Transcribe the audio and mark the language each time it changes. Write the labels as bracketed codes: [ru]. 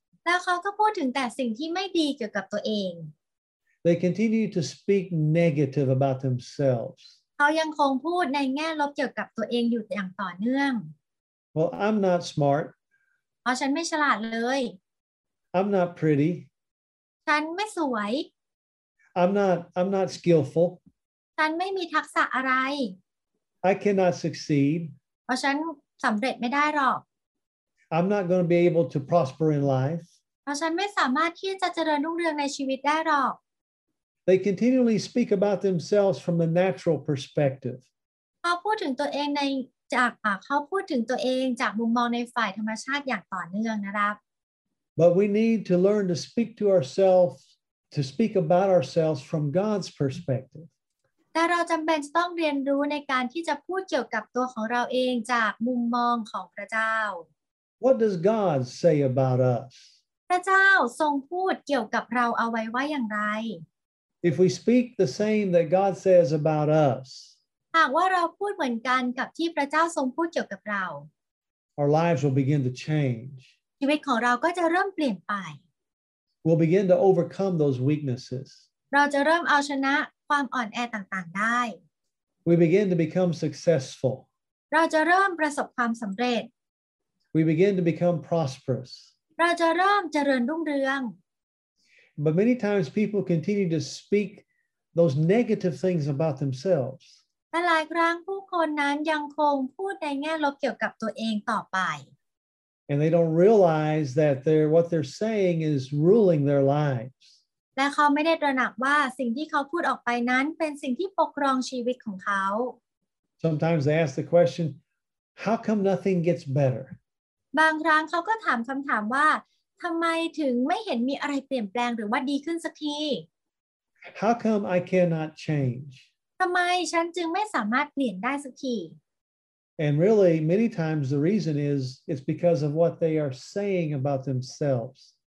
[th] แล้วเขาก็พูดถึงแต่สิ่งที่ไม่ดีเกี่ยวกับตัวเอง [en] They continue to speak negative about themselves [th] เขายังคงพูดในแง่ลบเกี่ยวกับตัวเองอยู่อย่างต่อเนื่อง [en] Well I'm not smart [th] เพราะฉันไม่ฉลาดเลย [en] I'm not pretty [th] ฉันไม่สวย [en] I'm not skillful [th] ฉันไม่มีทักษะอะไร [en] I cannot succeed [th] เพราะฉันสำเร็จไม่ได้หรอก [en] I'm not going to be able to prosper in life. [th] เพราะฉันไม่สามารถที่จะเจริญรุ่งเรืองในชีวิตได้หรอก [en] They continually speak about themselves from the natural perspective. [th] เขาพูดถึงตัวเองในจากเขาพูดถึงตัวเองจากมุมมองในฝ่ายธรรมชาติอย่างต่อเนื่องนะครับ [en] But we need to learn to speak to ourselves to speak about ourselves from God's perspective. [th] แต่เราจำเป็นต้องเรียนรู้ในการที่จะพูดเกี่ยวกับตัวของเราเองจากมุมมองของพระเจ้า [en] What does God say about us? [th] พระเจ้าทรงพูดเกี่ยวกับเราเอาไว้ว่าอย่างไร [en] If we speak the same that God says about us, [th] หากว่าเราพูดเหมือนกันกับที่พระเจ้าทรงพูดเกี่ยวกับเรา [en] Our lives will begin to change. [th] ชีวิตของเราก็จะเริ่มเปลี่ยนไป [en] We'll begin to overcome those weaknesses. [th] เราจะเริ่มเอาชนะความอ่อนแอต่างๆได้ [en] We begin to become successful. [th] เราจะเริ่มประสบความสำเร็จ [en] We begin to become prosperous. [th] เราจะเริ่มเจริญรุ่งเรือง [en] But many times people continue to speak those negative things about themselves. [th] หลายครั้งผู้คนนั้นยังคงพูดในแง่ลบเกี่ยวกับตัวเองต่อไป [en] And they don't realize that what they're saying is ruling their lives. [th] และเขาไม่ได้ตระหนักว่าสิ่งที่เขาพูดออกไปนั้นเป็นสิ่งที่ปกครองชีวิตของเขา [en] Sometimes they ask the question, "How come nothing gets better?" [th] บางครั้งเขาก็ถามคำถามว่าทำไมถึงไม่เห็นมีอะไรเปลี่ยนแปลงหรือว่าดีขึ้นสักที [en] How come I cannot change? [th] ทำไมฉันจึงไม่สามารถเปลี่ยนได้สักที [en] And really, many times the reason is it's because of what they are saying about themselves.